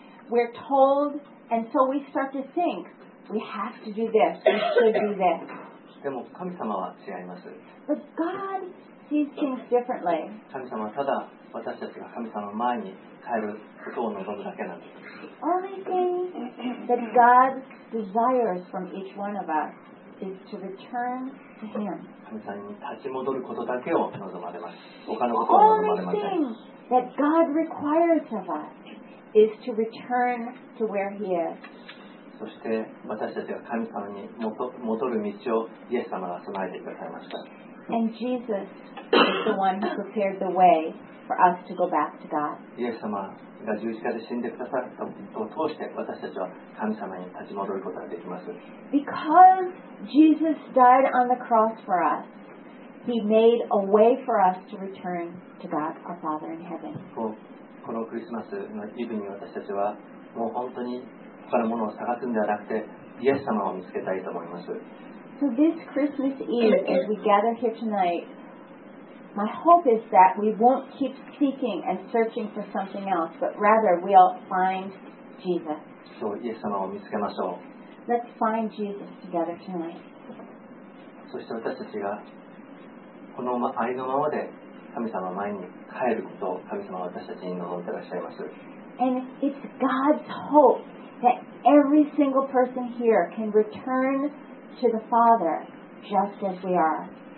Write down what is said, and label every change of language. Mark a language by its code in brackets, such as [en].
[en] We're told, and so we start to think, we have to do this, we should do this. [ja] でも神様は違います。 [en] But God sees things differently. [ja] 神様はただ私たちが神様の前に帰ることを望むだけなんです。 [en] Only thing that God desires from each one of us is to return to Him. [ja] 神様に立ち戻ることだけを望まれます。他のことは望まれません。 [en] Only thing that God requires of us is to return to where He is. [ja] そして私たちが神様に戻る道をイエス様が備えてくださいました。 [en] And Jesus is the one who prepared the way for us to go back to God. [ja] イエス様が十字架で死んでくださったことを通して私たちは神様に立ち戻ることができます。 [en] Because Jesus died on the cross for us, He made a way for us to return to God, our Father in heaven. [ja] このクリスマスのイブに私たちはもう本当に他のものを探すんではなくて、イエス様を見つけたいと思います。 [en] So this Christmas Eve, as we gather here tonight, my hope is that we won't keep seeking and searching for something else, but rather we'll find Jesus. [ja] そう、イエス様を見つけましょう。 [en] Let's find Jesus together tonight. [ja] そして私たちが、このありのままで神様の前に帰ることを神様は私たちに望んでいらっしゃいます。 [en] And it's God's hope. That every single person here can return to the Father just as we are.